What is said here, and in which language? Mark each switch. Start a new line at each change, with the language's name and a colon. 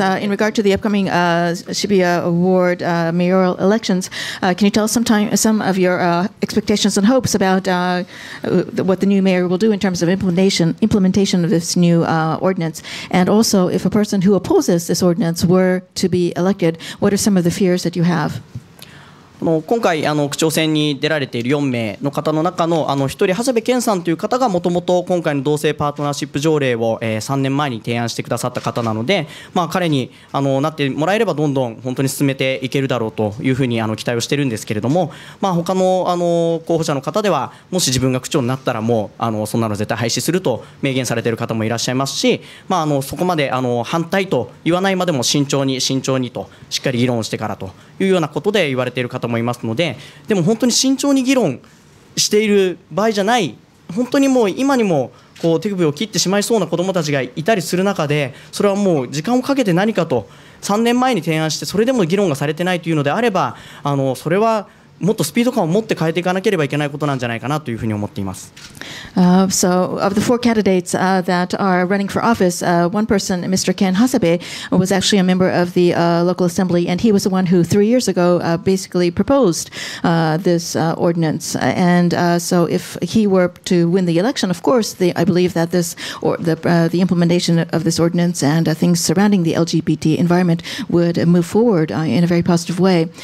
English: In regard to the upcoming Shibuya Ward mayoral elections, can you tell us some of your expectations and hopes about what the new mayor will do in terms of implementation of this new ordinance? And also, if a person who opposes this ordinance were to be elected, what are some of the fears that you have?
Japanese: 今回区長選に出られている4名の方の中の1人長谷部健さんという方がもともと今回の同性パートナーシップ条例を3年前に提案してくださった方なので、まあ、彼になってもらえればどんどん本当に進めていけるだろうというふうに期待をしているんですけれども、まあ、他の候補者の方ではもし自分が区長になったらもうそんなの絶対廃止すると明言されている方もいらっしゃいますし、まあ、そこまで反対と言わないまでも慎重に慎重にとしっかり議論してからというようなことで言われている方と思いますので、でも本当に慎重に議論している場合じゃない、本当にもう今にもこう手首を切ってしまいそうな子どもたちがいたりする中で、それはもう時間をかけて何かと3年前に提案してそれでも議論がされてないというのであれば、それはもっとスピード感を持って変えていかなければいけないことなんじゃないかなというふうに思っています。
English: So of the four candidates that are running for office, one person, Mr. Ken Hasebe, was actually a member of the local assembly, and he was the one who 3 years ago basically proposed this ordinance. And so if he were to win the election, of course, I believe that this or the implementation of this ordinance and things surrounding the LGBT environment would move forward in a very positive way.